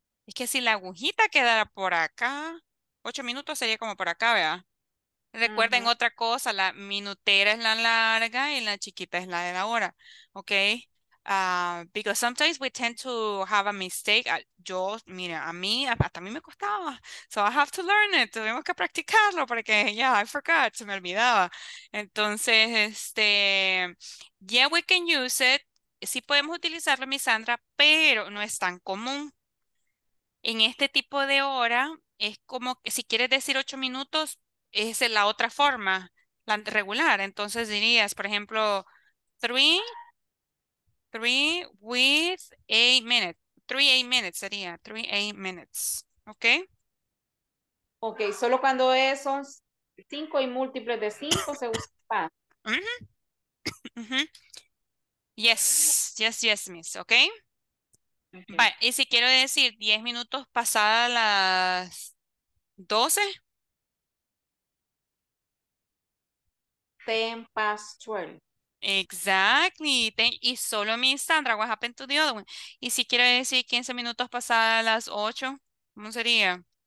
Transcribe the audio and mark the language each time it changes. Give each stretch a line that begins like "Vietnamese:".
Spanish: Es que si la agujita quedara por acá, 8 minutos sería como por acá, ¿verdad? Recuerden uh-huh. otra cosa, la minutera es la larga y la chiquita es la de la hora, ¿ok?
English: Because sometimes we tend to have a mistake.
Spanish: Yo, mira, a mí, hasta a mí me costaba.
English: So I have to learn it.
Spanish: Tuvimos que practicarlo porque,
English: yeah, I forgot,
Spanish: se me olvidaba. Entonces,
English: yeah, we can use it.
Spanish: Sí podemos utilizarlo, Miss Sandra, pero no es tan común. En este tipo de hora, es como que si quieres decir 8 minutos, es la otra forma, la regular. Entonces dirías, por ejemplo,
English: 3 with 8 minutes. 3 8 minutes
Spanish: sería,
English: 3 8 minutes. ¿Ok?
Spanish: Ok, solo cuando son 5 y múltiples de 5 se usa.
English: Yes, yes, yes, Miss, ok. Okay.
Spanish: Vale, y si quiero decir 10 minutos pasada las 12.
English: 10 past 12. Exactly.
Spanish: Y solo
English: Miss Sandra, what happened to the other one?
Spanish: Y si quiero decir 15 minutos pasada las 8, ¿cómo sería?